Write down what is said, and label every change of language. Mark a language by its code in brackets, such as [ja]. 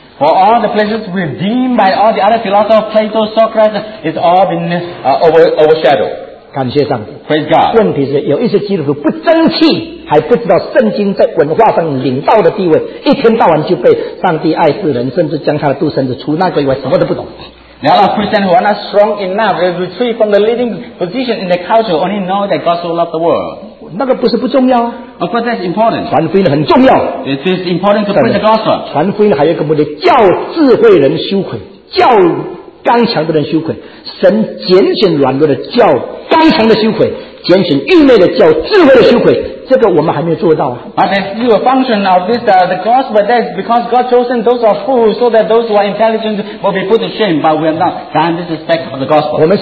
[en] For all the places redeemed by all the other philosophers, Plato, Socrates, it's all been overshadowed. [zh] 感谢上帝。 [en] Praise God. [zh] 问题是有一些基督徒不争气。还不知道圣经在文化上领导的地位, 一天到晚就被上帝爱世人, 甚至将他的独生子, 除那个以外, 什么都不懂。 [en] There are a lot of Christians who are not strong enough to retreat from the leading position in the culture, only know that God so loved the world. [zh] 那个不是不重要啊, [en] of course, that's important. [zh] 传福音很重要, [en] it is important to preach the gospel. [zh] 传福音还有一个目的, 叫智慧人羞愧, 叫 刚强的人羞愧，神拣选软弱的叫刚强的羞愧，拣选愚昧的叫智慧的羞愧，这个我们还没有做到。 [en] But there's still a function of this the gospel that is because God chosen those who are fools so that those who are intelligent will be put to shame, but we are not done this aspect of the gospel.